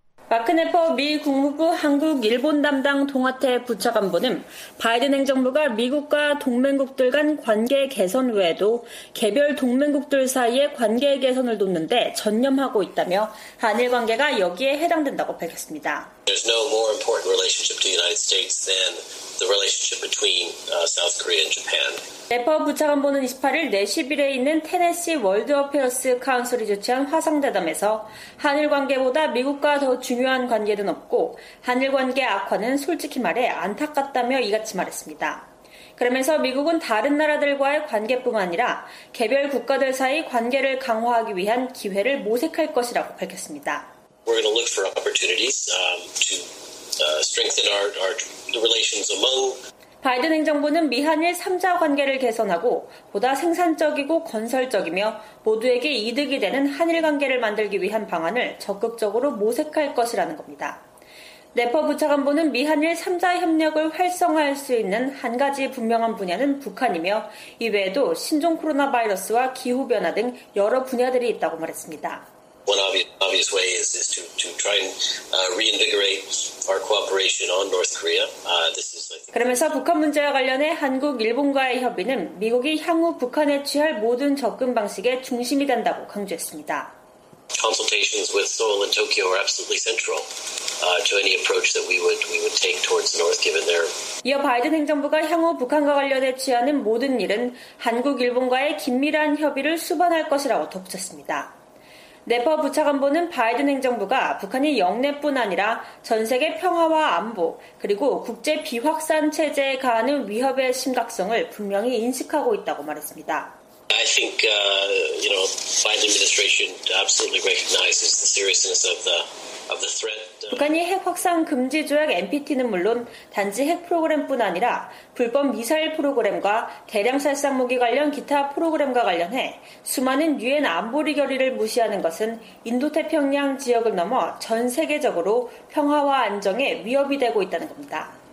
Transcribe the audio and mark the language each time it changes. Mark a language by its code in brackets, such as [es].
[ko] 마크네퍼 미 국무부 한국 일본 담당 동아태 부차관보는 바이든 행정부가 미국과 동맹국들 간 관계 개선 외에도 개별 동맹국들 사이의 관계 개선을 돕는 데 전념하고 있다며 한일 관계가 여기에 해당된다고 밝혔습니다. [en] There's no more important relationship to the United States than the relationship between South Korea and Japan. [ko] 네퍼 부차관보는 28일 내시빌에 있는 테네시 월드 어페어스 카운슬이 주최한 화상대담에서 한일 관계보다 미국과 더 중요한 관계는 없고 한일 관계 악화는 솔직히 말해 안타깝다며 이같이 말했습니다. 그러면서 미국은 다른 나라들과의 관계뿐만 아니라 개별 국가들 사이 관계를 강화하기 위한 기회를 모색할 것이라고 밝혔습니다. [en] We're going to look for opportunities to strengthen our relations among [ko] 바이든 행정부는 미한일 3자 관계를 개선하고 보다 생산적이고 건설적이며 모두에게 이득이 되는 한일 관계를 만들기 위한 방안을 적극적으로 모색할 것이라는 겁니다. 네퍼 부차관보는 미한일 3자 협력을 활성화할 수 있는 한 가지 분명한 분야는 북한이며 이외에도 신종 코로나 바이러스와 기후변화 등 여러 분야들이 있다고 말했습니다. [en] One obvious way is to try and reinvigorate our cooperation on North Korea. This is. [ko] 그러면서 북한 문제와 관련해 한국 일본과의 협의는 미국이 향후 북한에 취할 모든 접근 방식의 중심이 된다고 강조했습니다. [en] Consultations with Seoul and Tokyo are absolutely central to any approach that we would take towards the North, given their. [ko] 이어 바이든 행정부가 향후 북한과 관련해 취하는 모든 일은 한국 일본과의 긴밀한 협의를 수반할 것이라고 덧붙였습니다. 네퍼 부차관보는 바이든 행정부가 북한이 영내뿐 아니라 전 세계 평화와 안보 그리고 국제 비확산 체제에 가하는 위협의 심각성을 분명히 인식하고 있다고 말했습니다. [en] I think Biden administration absolutely recognizes the seriousness of the threat. [ko] 북한이 핵 확산 금지 조약 NPT는 물론 단지 핵 프로그램뿐 아니라 불법 미사일 프로그램과 대량 살상 무기 관련 기타 프로그램과 관련해 수많은 유엔 안보리 결의를 무시하는 것은 인도태평양 지역을 넘어 전 세계적으로 평화와 안정에 위협이 되고 있다는 겁니다.